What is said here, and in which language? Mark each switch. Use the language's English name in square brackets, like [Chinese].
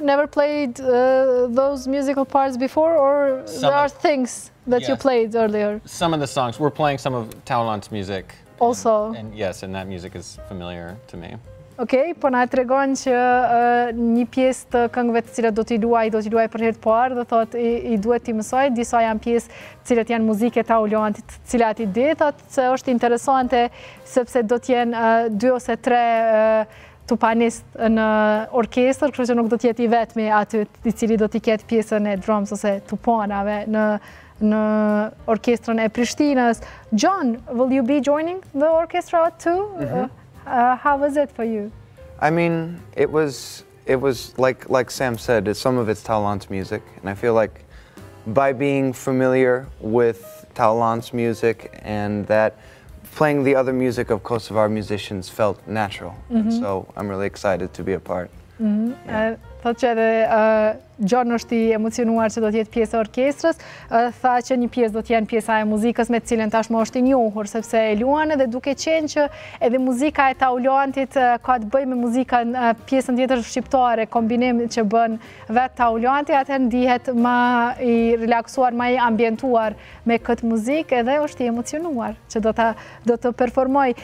[English] Never played those musical parts before, or some there are things that you played earlier? Some of the songs. We're playing some of Taulant's music. Also. And yes, and that music is familiar to me. [Albanian] Okay, po na tregon që një pjesë të këngëve të cilat do t'i duaj për herë të parë, dhe thot i duhet t'i mësoj, disa janë pjesë të cilat janë muzike Taulant, të cilat i di, thot se është interesante sepse do t'jen dy ose tre tupanist në orkestër, kështu që nuk do t'jeti vetmi aty i cili do t'i ketë pjesën e drums ose tuponave në orkestrën e Prishtinës. [English] John, will you be joining the orchestra too? How was it for you? I mean, it was like Sam said, some of it's Taulant's music, and I feel like by being familiar with Taulant's music and that playing the other music of Kosovar musicians felt natural. And so I'm really excited to be a part. [Albanian] Tha që edhe John është i emocionuar që do t'jetë pjesë e orkestrës, tha që një pjesë do t'jenë pjesa e muzikës me cilën tashmë është i njohur, sepse e luanë dhe duke qenë që edhe muzika e Taulantit ka të bëj me muzikën pjesën tjetër shqiptare, kombinim që bën vetë Taulantit, atë ndihet ma i relaksuar, ma i ambientuar me këtë muzikë edhe është i emocionuar që do të performoj.